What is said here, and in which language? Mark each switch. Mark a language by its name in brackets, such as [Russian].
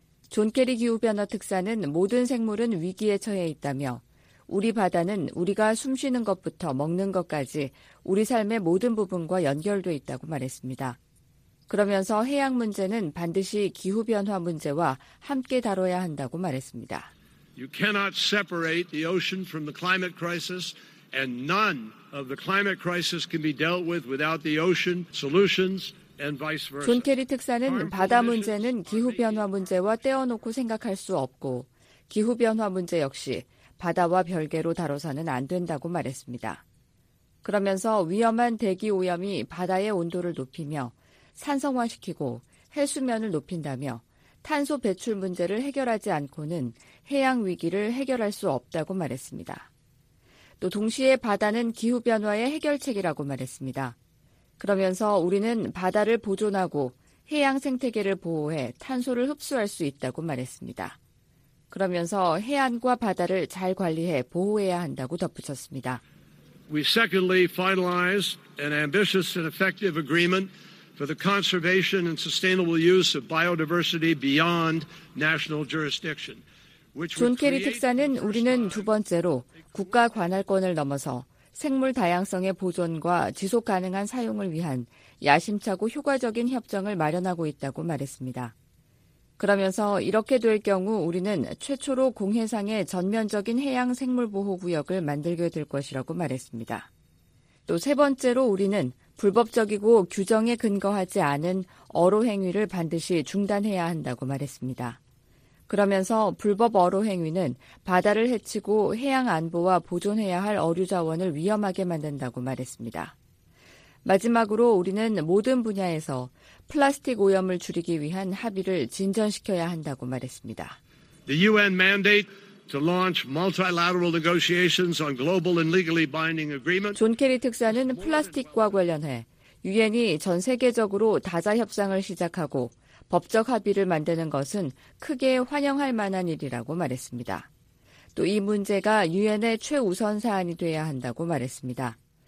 [Korean] 존 케리 기후변화 특사는 모든 생물은 위기에 처해 있다며 우리 바다는 우리가 숨쉬는 것부터 먹는 것까지 우리 삶의 모든 부분과 연결돼 있다고 말했습니다. 그러면서 해양 문제는 반드시 기후변화 문제와 함께 다뤄야 한다고 말했습니다. [English] You cannot separate the ocean from the climate crisis and none of the climate crisis can be dealt with without the ocean solutions and vice versa. [Korean] 존 케리 특사는 바다 문제는 기후변화 문제와 떼어놓고 생각할 수 없고 기후변화 문제 역시 바다와 별개로 다뤄서는 안 된다고 말했습니다. 그러면서 위험한 대기오염이 바다의 온도를 높이며 산성화시키고 해수면을 높인다며 탄소 배출 문제를 해결하지 않고는 해양 위기를 해결할 수 없다고 말했습니다. 또 동시에 바다는 기후변화의 해결책이라고 말했습니다. 그러면서 우리는 바다를 보존하고 해양 생태계를 보호해 탄소를 흡수할 수 있다고 말했습니다. 그러면서 해안과 바다를 잘 관리해 보호해야 한다고 덧붙였습니다. [English] We secondly finalized an ambitious and effective agreement for the conservation and sustainable use of biodiversity beyond national jurisdiction. [Korean] 존 케리 특사는 우리는 두 번째로 국가 관할권을 넘어서 생물 다양성의 보존과 지속 가능한 사용을 위한 야심차고 효과적인 협정을 마련하고 있다고 말했습니다. 그러면서 이렇게 될 경우 우리는 최초로 공해상의 전면적인 해양 생물 보호 구역을 만들게 될 것이라고 말했습니다. 또 세 번째로 우리는 불법적이고 규정에 근거하지 않은 어로 행위를 반드시 중단해야 한다고 말했습니다. 그러면서 불법 어로 행위는 바다를 해치고 해양 안보와 보존해야 할 어류 자원을 위험하게 만든다고 말했습니다. 마지막으로 우리는 모든 분야에서 플라스틱 오염을 줄이기 위한 합의를 진전시켜야 한다고 말했습니다. [English] The UN mandate to launch multilateral negotiations on global and legally binding agreement. [Korean] 존 케리 특사는 플라스틱과 관련해 유엔이 전 세계적으로 다자 협상을 시작하고 법적 합의를 만드는 것은 크게 환영할 만한 일이라고 말했습니다. 또 이 문제가 유엔의 최우선 사안이 돼야 한다고 말했습니다.